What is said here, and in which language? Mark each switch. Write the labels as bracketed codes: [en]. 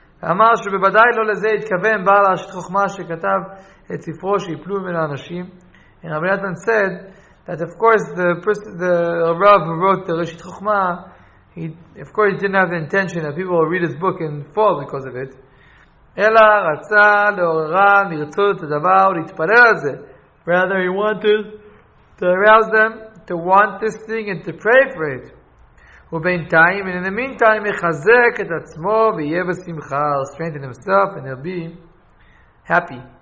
[he] אמר שבוודאי לא לזה התכוון בעל ראשית חוכמה שכתב את ספרו שיפלו ממנו אנשים. [en] And Rabbi Nathan said that of course the Rav who wrote the ראשית חוכמה, he didn't have the intention that people will read his book and fall because of it. [he] אלא רצה לעוררה לרצות את הדבר ולהתפלל על זה. [en] Rather he wanted to arouse them to want this thing and to pray for it. [he] ובינתיים, [en] and in the meantime, [he] יחזק את עצמו ויהיה בשמחה, [en] strengthen himself, and he'll be happy.